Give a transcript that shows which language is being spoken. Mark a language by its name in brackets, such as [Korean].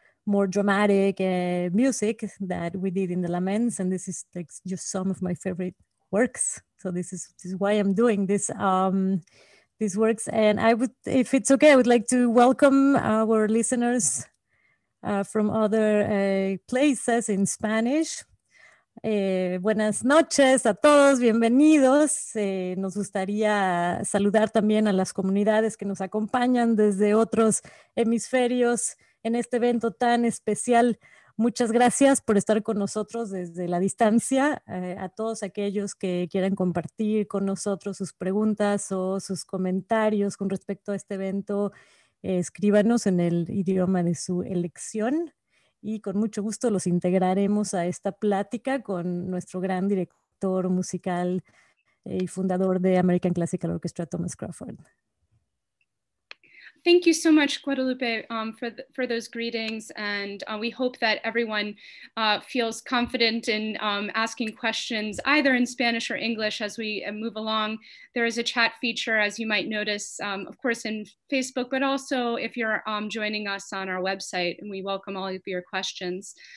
[English] more dramatic music that we did in the laments, and this is like just some of my favorite works. So this is why I'm doing this these works. And I would, if it's okay, I would like to welcome our listeners from other places in Spanish. [Spanish] Buenas noches a todos, bienvenidos. Nos gustaría saludar también a las comunidades que nos acompañan desde otros hemisferios en este evento tan especial. Muchas gracias por estar con nosotros desde la distancia. A todos aquellos que quieran compartir con nosotros sus preguntas o sus comentarios con respecto a este evento, escríbanos en el idioma de su elección. Y con mucho gusto los integraremos a esta plática con nuestro gran director musical y fundador de American Classical Orchestra, Thomas Crawford. [English] Thank you so much, Guadalupe, for those greetings. And we hope that everyone feels confident in asking questions either in Spanish or English as we move along. There is a chat feature, as you might notice, of course, in Facebook, but also if you're joining us on our website, and we welcome all of your questions.